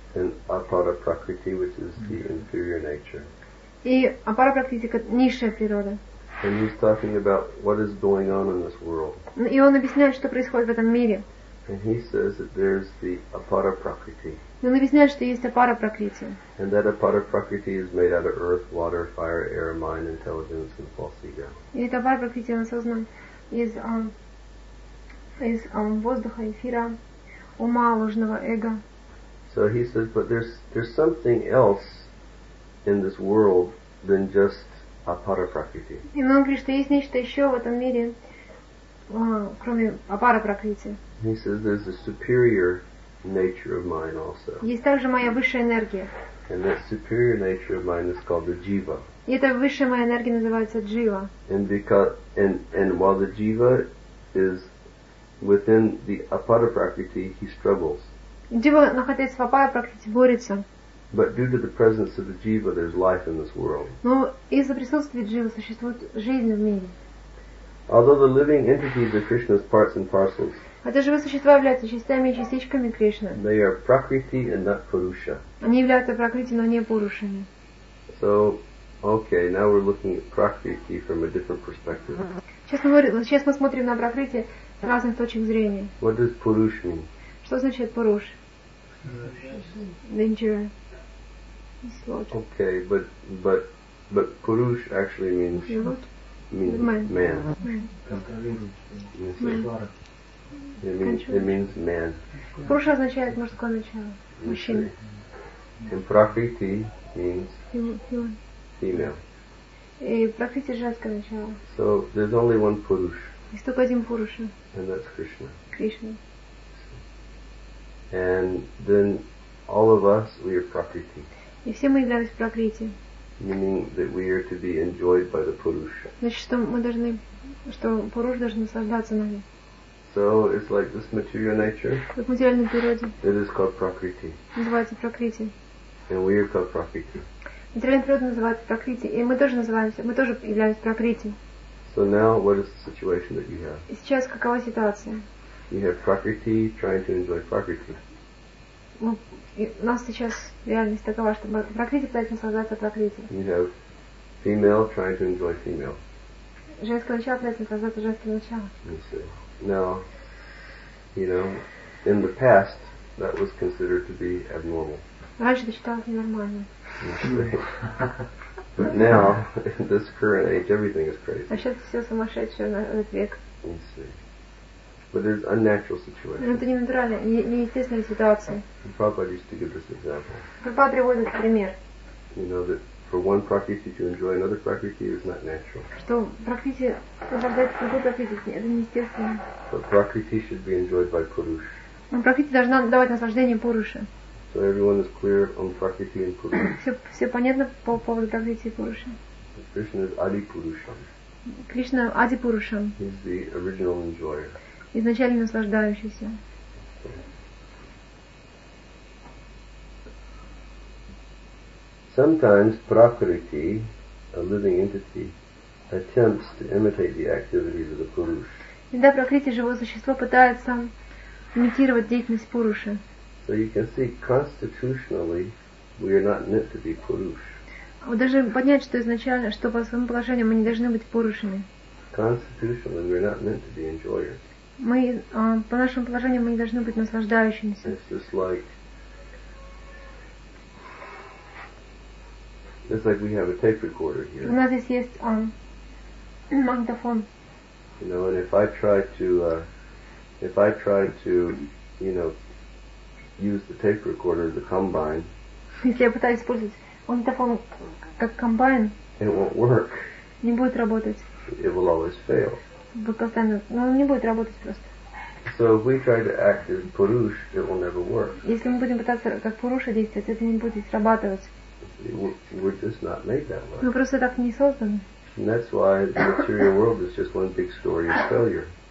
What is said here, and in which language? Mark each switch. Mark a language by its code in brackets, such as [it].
[en] And apara-prakriti, which is the inferior nature. [ru] И apara-prakriti, низшая природа. [en] And he's talking about what is going on this world. [ru] И он объясняет, что происходит в этом мире. [en] And he says that there's the apara-prakriti. [ru] И он объясняет, что есть апара-пракрити. [en] And that апара-пракрити is made out of earth, water, fire, air, mind, intelligence, and false ego. [ru] И это апара-пракрити, оно создано из воздуха, эфира, ума, ложного эго. [en] So he says, but there's something else in this world than just апара-пракрити. [ru] И он говорит, что есть нечто еще в этом мире, кроме апара-пракрити. [en] He says there's a superior nature of mine also. [ru] Есть также моя высшая энергия. [en] And that superior nature of mine is called the jiva. [ru] И эта высшая моя энергия называется джива. [en] And because and while the jiva is within the apara prakriti, he struggles. [ru] Джива, находясь в апара прокрити, борется. [en] But due to the presence of the jiva, there's life in this world. [ru] Но из-за присутствия джива существует жизнь в мире. [en] Although the living entities are Krishna's parts and parcels. [ru] Хотя живые существа являются частями и частичками Кришны. [en] They are prakriti and not purusha. [ru] Они являются прокрити, но не пурушами. [en] So, okay, now we're looking at prakriti from a different perspective. [ru] Сейчас мы смотрим на прокрити с разных точек зрения. [en] What does purush mean? [ru] Что значит пуруш? [en] Danger. Okay, but purush actually means man. It means man. [ru] Пуруша означает мужское начало, мужчина. [en] And prakriti means female. [ru] И prakriti женское начало. [en] So there's only one purush. [ru] Есть только один пуруша. [en] And that's Krishna. [ru] Кришна. [en] And then all of us, we are prakriti. [ru] И все мы являемся Пракрити. [en] Meaning that we are to be enjoyed by the Purusha. [ru] Значит, что мы должны, что Пуруша должен наслаждаться нами. [en] So it's like this material nature. [ru] Как материальная природа. [en] It is called Prakriti. [ru] Называется Пракрити. [en] And we are called Prakriti. [ru] Материальная природа называется Пракрити, и мы тоже называемся, мы тоже являемся Пракрити. [en] So now, what is the situation that you have? [ru] И сейчас какова ситуация? [en] You have Prakriti trying to enjoy Prakriti. [ru] Ну, у нас сейчас реальность такова, что Пракрити пытается наслаждаться Пракрити. [en] You have female trying to enjoy female. [ru] Женское начало пытается наслаждаться женским началом. [en] Now, you know, in the past, that was considered to be abnormal. [ru] Раньше это считалось ненормальным. [en] But now, in this current age, everything is crazy. [ru] А сейчас все сумасшедшее на этот век. [en] But it's unnatural situation. [ru] Это не натуральная, неестественная ситуация. [en] Prabhupada used to give this example. [ru] Прабхупада приводит пример. [en] You know that for one prakriti to enjoy another prakriti is not natural. [ru] Что прокрити наслаждается другой прокрити, это неестественно. [en] But prakriti should be enjoyed by purusha. [ru] Но прокрити должна давать наслаждение пуруше. [en] So everyone is clear on prakriti and purusha. [ru] Все понятно по поводу прокрити и пуруше. [en] Krishna is adi purusha. [ru] Кришна ади пуруша. [en] He is the original enjoyer. [ru] Изначально наслаждающийся. [en] Sometimes Prakriti, a living entity, attempts to imitate the activities of the Purusha. [ru] Иногда Пракрити, живое существо, пытается имитировать деятельность Пуруши. [en] So you can see, constitutionally, we are not meant to be Purusha. [ru] Вот даже понять, что изначально, что по своему положению мы не должны быть Пурушами. [en] Constitutionally, we are not meant to be enjoyers. [ru] Мы по нашему положению мы не должны быть наслаждающимися. [en] It's just like it's like we have a tape recorder here. [ru] У нас здесь есть магнитофон. [en] You know, and if I try to, you know, use the tape recorder as a combine. [ru] Если я пытаюсь использовать магнитофон как комбайн, [en] it won't work. [ru] Не будет работать. [en] It will always fail. [ru] Постоянно, но он не будет работать просто. [en] So if we try to act as Purush, it will never work. [ru] Если мы будем пытаться как Пуруша действовать, это не будет срабатывать. [en] We're just not made that way. [ru] Мы просто так не созданы. [en] And that's why the material world is just one big story of failure.